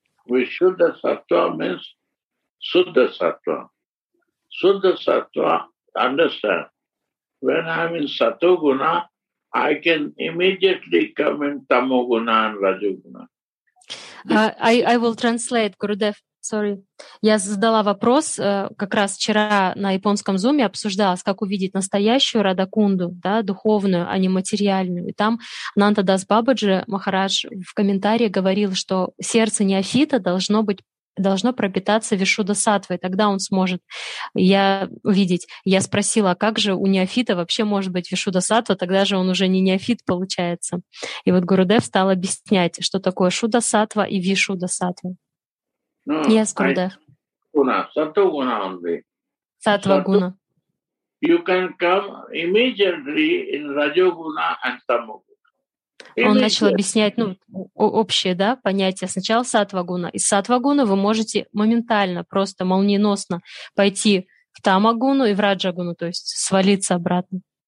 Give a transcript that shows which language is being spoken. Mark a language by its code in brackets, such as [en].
[en] Vishuddha Sattva means Shuddha Sattva. Shuddha Sattva, understand, when I'm in Satoguna, I can immediately come in Tamoguna and Rajoguna. I will translate, Gurudev. Sorry. [ru] Я задала вопрос как раз вчера на японском зуме, обсуждалось, как увидеть настоящую Радакунду, да, духовную, а не материальную. И там Ананда Дас Бабаджи Махарадж в комментарии говорил, что сердце неофита должно пропитаться Вишудда Саттвой, тогда он сможет увидеть. Я спросила, а как же у неофита вообще может быть Вишудда Саттва, тогда же он уже не неофит получается. И вот Гурудев стал объяснять, что такое Шудда Саттва и Вишудда Саттва. [en] No, yes, Guruji. Guna, Sattva Guna only. Sattva Guna. You can come immediately in Rajoguna and Tamoguna. [ru] Он начал объяснять, общее, да, понятие. Сначала Sattva Guna. Из Sattva Guna вы можете моментально, просто молниеносно пойти в Тамагуну и в Раджагуну, то есть свалиться обратно.